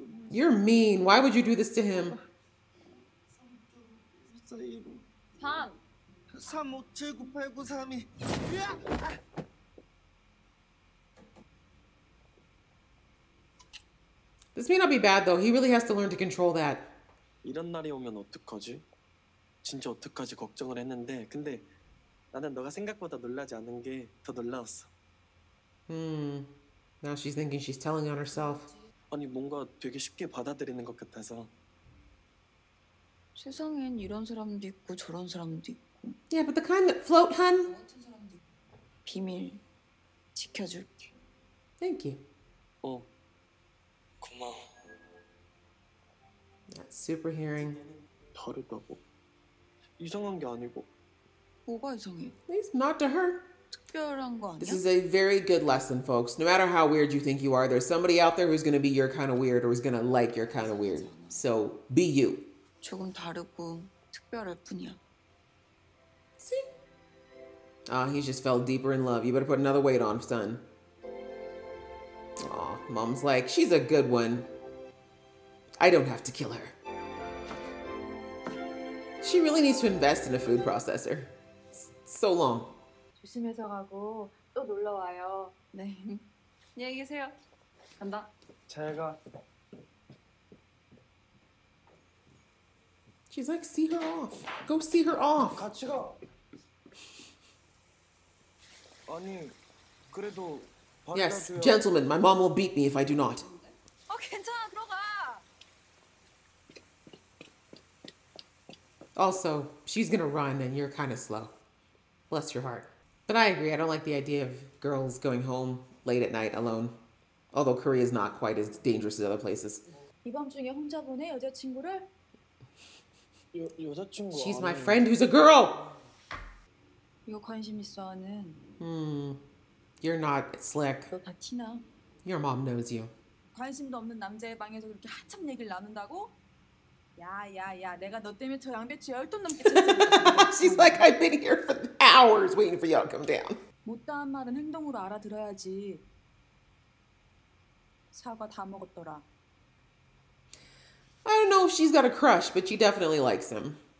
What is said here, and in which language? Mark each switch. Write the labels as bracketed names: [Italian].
[English] You're mean. Why would you do this to him? Tom. This may not be bad, though. He really has to learn to control that. [Korean] 이런 날이 오면 어떡하지? 진짜 어떡하지 걱정을 했는데 근데 나는 너가 생각보다 놀라지 않은 게 더 놀라웠어. [English] Now she's thinking she's telling on herself. [Korean] 아니 뭔가 되게 쉽게 받아들이는 것 같아서. 세상엔 이런 사람도 있고 저런 사람도 있고. [English] Yeah, but the kind that float, hun. [Korean] 비밀 지켜줄게. [English] Thank you. [Korean] 어, 고마워. [English] That's super hearing. [Korean] 다르다고. 이상한 게 아니고. 뭐가 이상해? [English] It's not to her. [Korean] 특별한 거 아니야? [English] This is a very good lesson, folks. No matter how weird you think you are, there's somebody out there who's gonna be your kind of weird or is gonna like your kind of weird. So, be you. [Korean] 조금 다르고 특별할 뿐이야. [English] See? Ah, he just fell deeper in love. You better put another weight on, son. Aw, mom's like, she's a good one. I don't have to kill her. She really needs to invest in a food processor. So long. [Korean] 조심해서 가고 또 놀러 와요. 네. 안녕히 계세요. 간다. 잘 가. [English] She's like, see her off. Go see her off. [Korean] 같이 가. 아니, 그래도 [English] Yes, gentlemen, my mom will beat me if I do not. [Korean] 어, 괜찮아. 들어가. [English] Also, she's gonna run and you're kind of slow. Bless your heart. But I agree, I don't like the idea of girls going home late at night alone. Although Korea is not quite as dangerous as other places. [Korean] 이밤 중에 혼자 보내 여자친구를? 여자친구 [English] She's my friend who's a girl! [Korean] 이거 관심 있어 하는. [English] You're not slick. [Korean] 너 다 티나. [English] Your mom knows you. [Korean] 관심도 없는 남자의 방에서 그렇게 한참 얘기를 나눈다고? 야야야 내가 너 때문에 저 양배추 10톤 넘게 [English] She's like I've been here for hours waiting for y'all to come down. [Korean] 못다한 말은 행동으로 알아들어야지. 사과 다 먹었더라. [English] I don't know if she's got a crush, but she definitely likes him.